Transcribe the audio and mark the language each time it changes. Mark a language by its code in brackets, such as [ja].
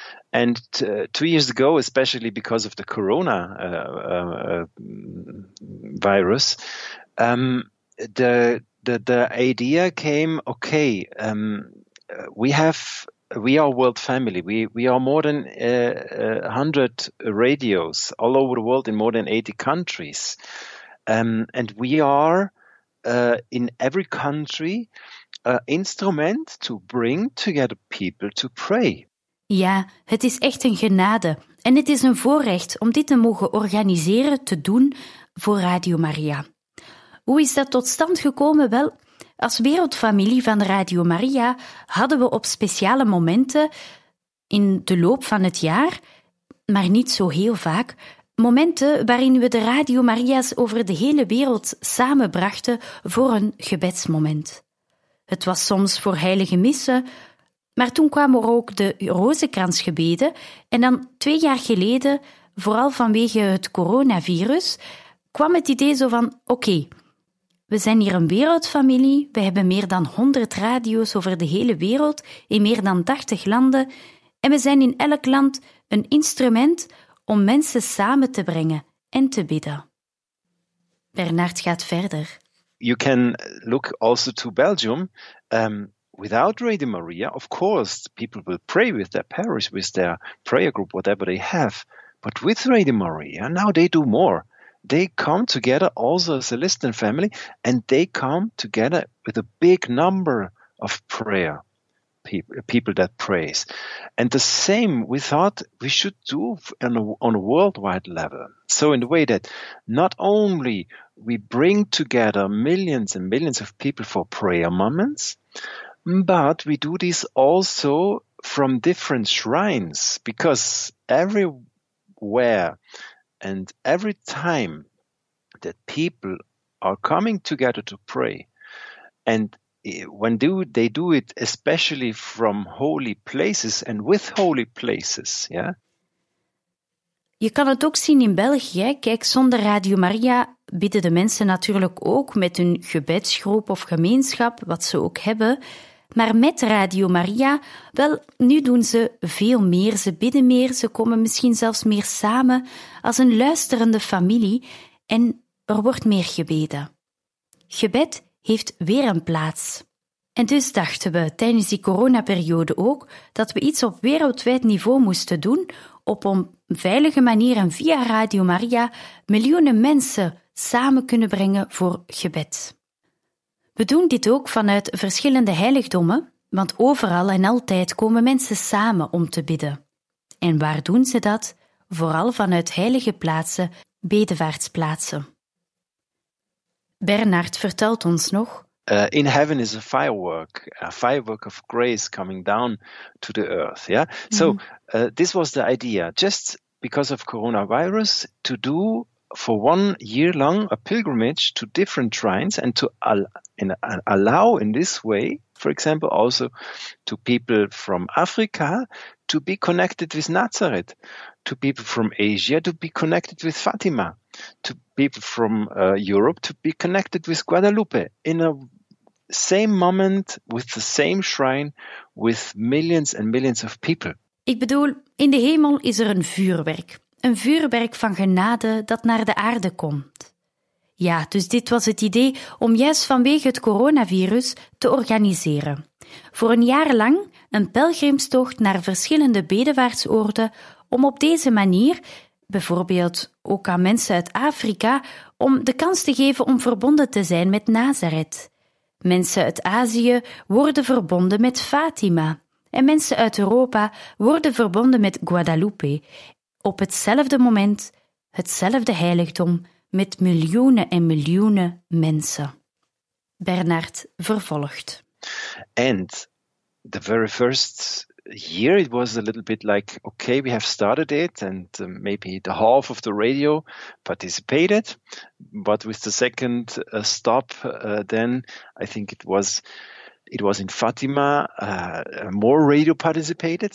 [en] And 2 years ago, especially because of the corona virus, the idea came, okay, we are World Family. We are more than 100 radios all over the world in more than 80 countries. And we are in every country an instrument to bring together people to pray. [nl] Ja, het is echt een genade en het is een voorrecht om dit te mogen organiseren, te doen voor Radio Maria. Hoe is dat tot stand gekomen? Wel, als wereldfamilie van Radio Maria hadden we op speciale momenten in de loop van het jaar, maar niet zo heel vaak, momenten waarin we de Radio Maria's over de hele wereld samenbrachten voor een gebedsmoment. Het was soms voor heilige missen, maar toen kwamen er ook de rozenkransgebeden en dan 2 jaar geleden, vooral vanwege het coronavirus, kwam het idee zo van, oké, we zijn hier een wereldfamilie, we hebben meer dan 100 radio's over de hele wereld in meer dan 80 landen en we zijn in elk land een instrument om mensen samen te brengen en te bidden. Bernard gaat verder. [en] You can look also to Belgium. Without Radio Maria, of course, people will pray with their parish, with their prayer group, whatever they have. But with Radio Maria, now they do more. They come together also as a listening family, and they come together with a big number of prayer people that prays. And the same we thought we should do on a worldwide level. So in the way that not only we bring together millions and millions of people for prayer moments, but we do this also from different shrines, because everywhere and every time that people are coming together to pray, and when they do it especially from holy places and with holy places, yeah? [nl] Je kan het ook zien in België. Kijk, zonder Radio Maria bidden de mensen natuurlijk ook met hun gebedsgroep of gemeenschap, wat ze ook hebben. Maar met Radio Maria, wel, nu doen ze veel meer, ze bidden meer, ze komen misschien zelfs meer samen als een luisterende familie en er wordt meer gebeden. Gebed heeft weer een plaats. En dus dachten we tijdens die coronaperiode ook dat we iets op wereldwijd niveau moesten doen op een veilige manier en via Radio Maria miljoenen mensen samen kunnen brengen voor gebed. We doen dit ook vanuit verschillende heiligdommen, want overal en altijd komen mensen samen om te bidden. En waar doen ze dat? Vooral vanuit heilige plaatsen, bedevaartsplaatsen. Bernard vertelt ons nog. [en] In heaven is a firework of grace coming down to the earth. Yeah? So this was the idea, just because of coronavirus, to do for 1 year long a pilgrimage to different shrines and to allow in this way, for example, also to people from Africa to be connected with Nazareth, to people from Asia to be connected with Fatima, to people from Europe to be connected with Guadalupe in a same moment with the same shrine with millions and millions of people. [nl] Ik bedoel, in de hemel is er een vuurwerk. Een vuurwerk van genade dat naar de aarde komt. Ja, dus dit was het idee om juist vanwege het coronavirus te organiseren. Voor een jaar lang een pelgrimstocht naar verschillende bedevaartsoorden om op deze manier, bijvoorbeeld ook aan mensen uit Afrika, om de kans te geven om verbonden te zijn met Nazareth. Mensen uit Azië worden verbonden met Fatima en mensen uit Europa worden verbonden met Guadalupe. Op hetzelfde moment, hetzelfde heiligdom, met miljoenen en miljoenen mensen. Bernard vervolgt. [en] And the very first year it was a little bit like, okay, we have started it and maybe the half of the radio participated. But with the second stop then, I think it was in Fatima, more radio participated.